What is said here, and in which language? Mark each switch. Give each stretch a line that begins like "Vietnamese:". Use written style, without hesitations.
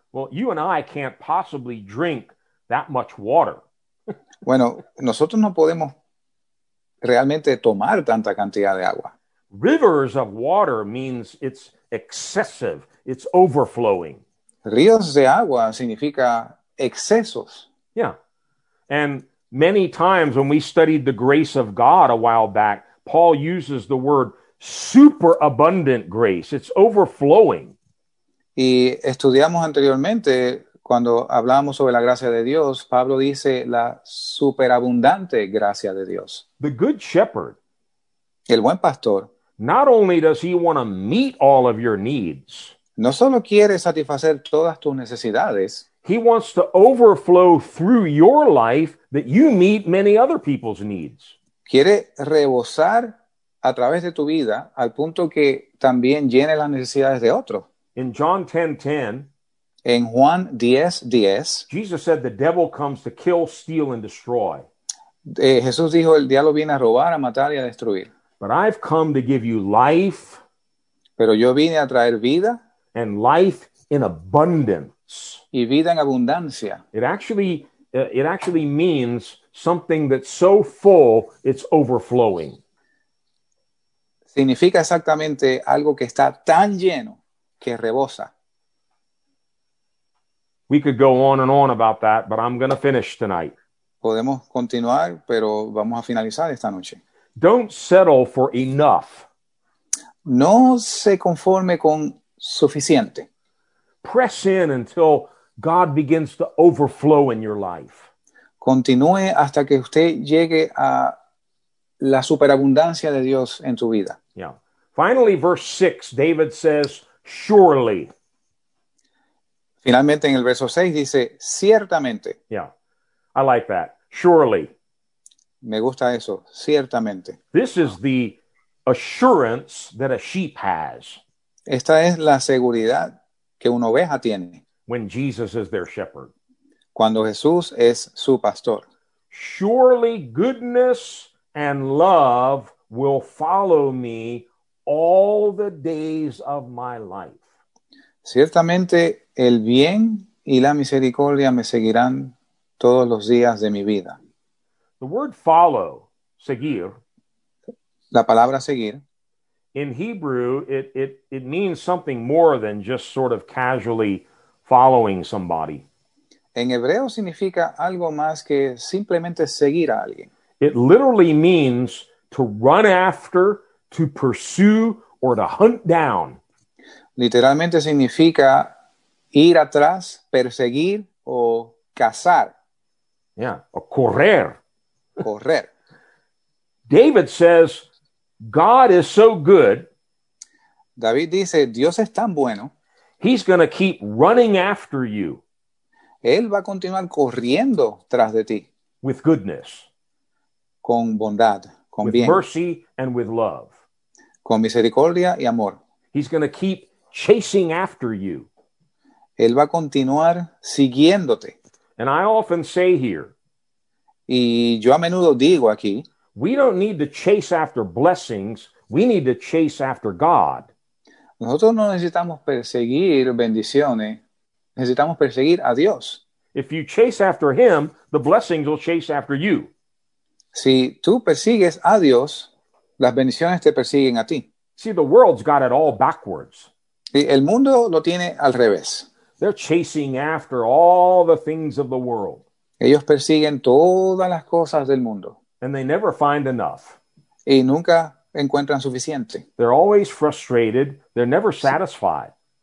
English: Well, you and I can't possibly drink that much water.
Spanish: Bueno, nosotros no podemos realmente tomar tanta cantidad de agua.
English: Rivers of water means it's excessive. It's overflowing.
Spanish: Ríos de agua significa excesos. Yeah.
English: And many times when we studied the grace of God a while back, Paul uses the word superabundant grace. It's overflowing.
Spanish: Y estudiamos anteriormente, cuando hablamos sobre la gracia de Dios, Pablo dice la superabundante gracia de Dios.
English: The good shepherd.
Spanish: El buen pastor.
English: Not only does he want to meet all of your needs.
Spanish: No solo quiere satisfacer todas tus necesidades.
English: He wants to overflow through your life that you meet many other people's needs.
Spanish: Quiere rebosar a través de tu vida al punto que también llene las necesidades de otro.
English: In John 10:10.
Spanish: En Juan 10:10,
English: Jesus said the devil comes to kill, steal, and destroy.
Spanish: Jesús dijo, el diablo viene a robar, a matar y a destruir.
English: But I've come to give you life.
Spanish: Pero yo vine a traer vida.
English: And life in abundance.
Spanish: Y vida en abundancia.
English: It actually means something that's so full, it's overflowing.
Spanish: Significa exactamente algo que está tan lleno que rebosa.
English: We could go on and on about that, but I'm going to finish tonight.
Spanish: Podemos continuar, pero vamos a finalizar esta noche.
English: Don't settle for enough.
Spanish: No se conforme con suficiente.
English: Press in until God begins to overflow in your life.
Spanish: Continúe hasta que usted llegue a la superabundancia de Dios en su vida. Yeah.
English: Finally, verse 6, David says, surely.
Spanish: Finalmente, en el verso 6 dice, ciertamente.
English: Yeah, I like that. Surely.
Spanish: Me gusta eso, ciertamente.
English: This is the assurance that a sheep has.
Spanish: Esta es la seguridad que una oveja tiene.
English: When Jesus is their shepherd.
Spanish: Cuando Jesús es su pastor.
English: Surely goodness and love will follow me all the days of my life.
Spanish: Ciertamente, el bien y la misericordia me seguirán todos los días de mi vida.
English: The word follow, seguir.
Spanish: La palabra seguir.
English: In Hebrew, it means something more than just sort of casually following somebody.
Spanish: En hebreo significa algo más que simplemente seguir a alguien.
English: It literally means to run after, to pursue, or to hunt down.
Spanish: Literalmente significa ir atrás, perseguir o cazar. Yeah, o correr. Correr.
English: David says, God is so good.
Spanish: David dice, Dios es tan bueno.
English: He's going to keep running after you.
Spanish: Él va a continuar corriendo tras de ti.
English: With goodness.
Spanish: Con bondad. Con
English: with
Spanish: bien.
English: Mercy and with love.
Spanish: Con misericordia y amor.
English: He's going to keep chasing after you.
Spanish: Él va a continuar siguiéndote.
English: And I often say here.
Spanish: Y yo a menudo digo aquí.
English: We don't need to chase after blessings. We need to chase after God.
Spanish: Nosotros no necesitamos perseguir bendiciones. Necesitamos perseguir a Dios.
English: If you chase after him, the blessings will chase after you.
Spanish: Si tú persigues a Dios, las bendiciones te persiguen a ti.
English: See, the world's got it all backwards.
Spanish: Y el mundo lo tiene al revés.
English: They're chasing after all the things of the world.
Spanish: Ellos persiguen todas las cosas del mundo.
English: And they never find enough.
Spanish: Y nunca encuentran suficiente.
English: They're always frustrated. They're never satisfied.